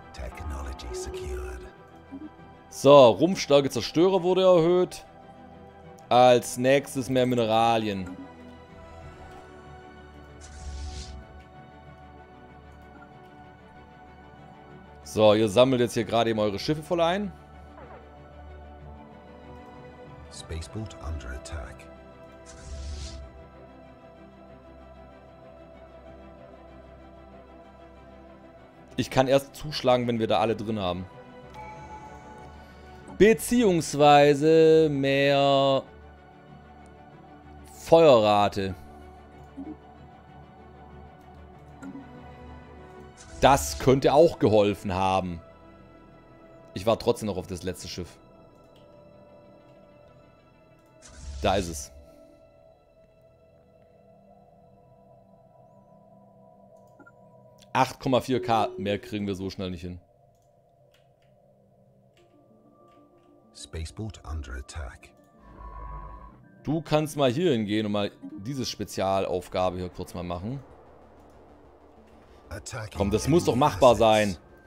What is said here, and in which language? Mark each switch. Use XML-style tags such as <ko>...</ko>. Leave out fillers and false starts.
<en>Technology secured.</en> <de>So, Rumpfstärke Zerstörer wurde erhöht. Als nächstes mehr Mineralien. So. So, ihr sammelt jetzt hier gerade eben eure Schiffe voll ein.</de> <en>Spaceboat under attack.</en> <de>Ich kann erst zuschlagen, wenn wir da alle drin haben. Beziehungsweise mehr Feuerrate. Das könnte auch geholfen haben. Ich warte trotzdem noch auf das letzte Schiff. Da ist es. $8,4K mehr kriegen wir so schnell nicht hin.</de> <en>Spaceboat under attack.</en> <de>Du kannst mal hier hingehen und mal diese Spezialaufgabe hier kurz mal machen. Komm, das muss doch machbar sein.</de>